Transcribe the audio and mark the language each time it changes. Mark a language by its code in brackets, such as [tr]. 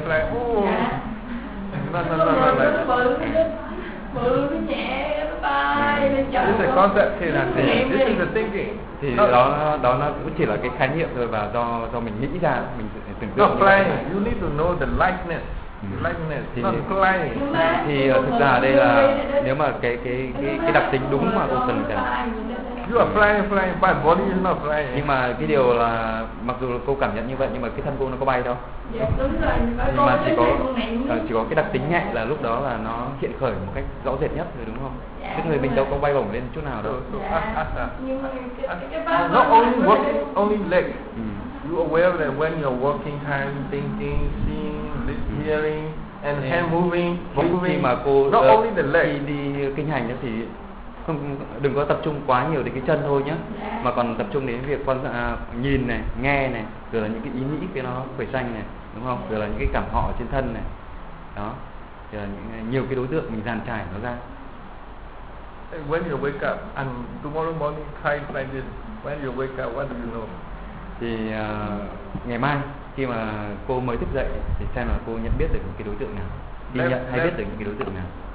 [en] This is a concept here, and this is a thinking. [vi] Thì đó nó cũng chỉ là cái khái niệm thôi, và do mình nghĩ ra, mình tưởng tượng. [en] Not flying, you need to know the lightness. Lightness, thì, not flying. [vi] Thì thực ra đây là nếu mà cái đặc tính đúng mà cô cần cả. [en] You are flying, flying, but body is not flying. [vi] Nhưng mà cái điều là mặc dù cô cảm nhận như vậy nhưng mà cái thân cô nó có bay đâu. Nhưng mà chỉ có cái đặc tính nhẹ là lúc đó là nó hiện khởi một cách rõ rệt nhất rồi đúng không? Yeah, cái người mình đâu có bay bổng lên chút nào đâu. Yeah. [en] Not only work, only leg. You aware that when you're working hand, thinking, seeing, hearing, and hand moving, [vi] khi mà cô [en] not only the leg. [vi] Khi đi kinh hành thì không đừng có tập trung quá nhiều đến cái chân thôi nhé, mà còn tập trung đến việc quan nhìn này, nghe này, rồi là những cái ý nghĩ cái nó khởi sanh này, đúng không? Rồi là những cái cảm họ trên thân này, đó, rồi là những, nhiều cái đối tượng mình dàn trải nó ra. [en] When you wake up and tomorrow morning, try find this. When you wake up, what do you know? [vi] Thì ngày mai khi mà cô mới thức dậy thì xem là cô nhận biết được những cái đối tượng nào, khi nhận hay biết được những cái đối tượng nào.